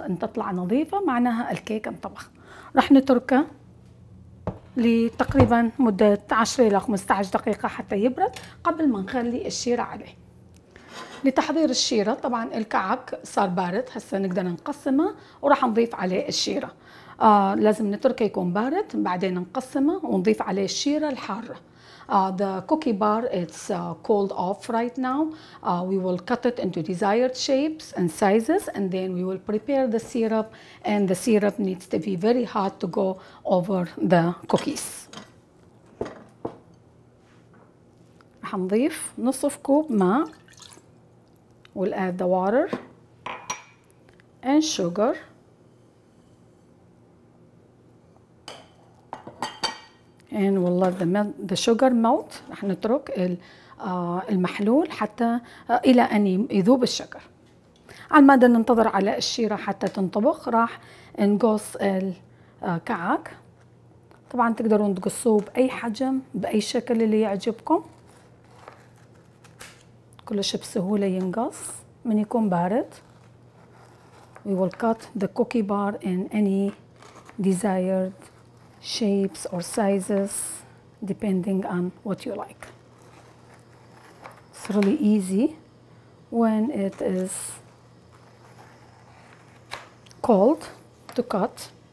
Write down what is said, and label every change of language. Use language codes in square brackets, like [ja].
[ar] أن تطلع نظيفة معناها الكيك انطبخ. راح نتركه لتقريبا مدة 10 إلى 15 دقيقة حتى يبرد قبل ما نخلي الشيرة عليه. لتحضير الشيرة طبعا الكعك صار بارد، هسه نقدر نقسمه وراح نضيف عليه الشيرة. لازم نتركه يكون بارد بعدين نقسمه ونضيف عليه الشيرة الحارة. [en] The cookie bar it's cold off right now. We will cut it into desired shapes and sizes and then we will prepare the syrup and the syrup needs to be very hot to go over the cookies. [ar] راح نضيف نصف كوب ماء. [en] We'll add the water and sugar. And we'll let the sugar melt. [ar] رح نترك المحلول حتى إلى أن يذوب الشكر. على ما ننتظر على الشيرة حتى تنطبخ راح نقص الكعك. طبعا تقدرون تقصوه بأي حجم بأي شكل اللي يعجبكم. كلش بسهولة ينقص من يكون بارد. [en] We will cut the cookie bar in any desired shapes or sizes depending on what you like. It's really easy when it is cold to cut.